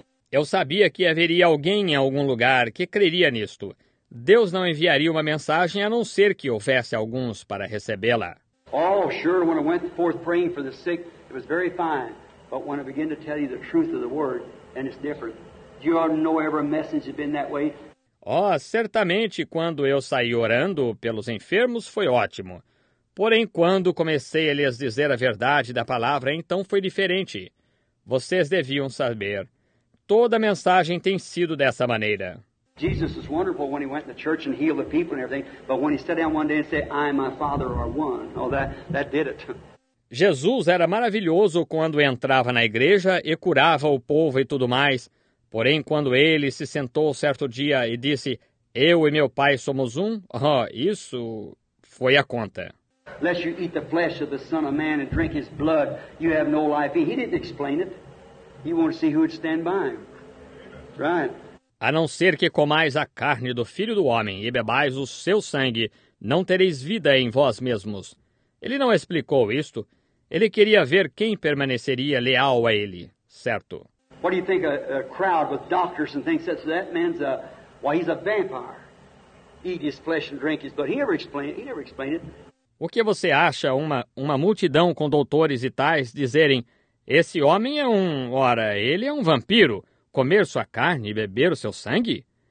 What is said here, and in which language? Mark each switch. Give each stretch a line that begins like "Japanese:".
Portuguese: Eu sabia que haveria alguém em algum lugar que creria nisto. Deus não enviaria uma mensagem a não ser que houvesse alguns para recebê-la.
English: Oh, sure, when I went forth praying for the sick, it was very fine. But when I begin to tell you the truth of the word, and it's different. You ought to know every message has been that way.
Portuguese: Oh, certamente quando eu saí orando pelos enfermos foi ótimo. Porém, quando comecei a lhes dizer a verdade da palavra, então foi diferente. Vocês deviam saber. Toda mensagem tem sido dessa maneira.
English: Jesus was wonderful when he went to church and healed the people and everything, but when he sat down one day and said, I and my Father are one, oh, that did it.
Portuguese: Jesus era maravilhoso quando entrava na igreja e curava o povo e tudo mais. Porém, quando ele se sentou certo dia e disse, eu e meu Pai somos um, oh, isso foi a conta.
English: Unless you eat the flesh of the Son of Man and drink his blood, you have no life. He didn't explain it. He wanted to see who would stand by him. Right.
Portuguese: A não ser que comais a carne do Filho do Homem e bebais o seu sangue, não tereis vida em vós mesmos. Ele não explicou isto. Ele queria ver quem permaneceria leal a ele, certo?
English: What do you think a crowd with doctors and things said? So that man's a, well, he's a vampire. Eat his flesh and drink his blood. He never explained it.
Portuguese: O que você acha uma multidão com doutores e tais dizerem, esse homem é um, ora, ele é um vampiro, comer sua carne e beber o seu sangue?